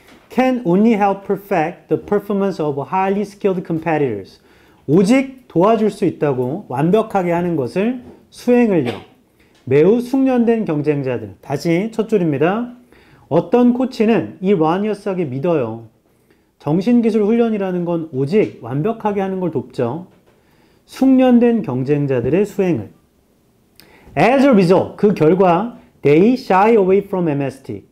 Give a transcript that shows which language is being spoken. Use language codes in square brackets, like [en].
[en] Can only help perfect the performance of highly skilled competitors. [ko] 오직 도와줄 수 있다고 완벽하게 하는 것을 수행을요. 매우 숙련된 경쟁자들. 다시 첫 줄입니다. 어떤 코치는 erroneous하게 믿어요. 정신기술 훈련이라는 건 오직 완벽하게 하는 걸 돕죠. 숙련된 경쟁자들의 수행을. [en] As a result, [ko] 그 결과, [en] they shy away from MST.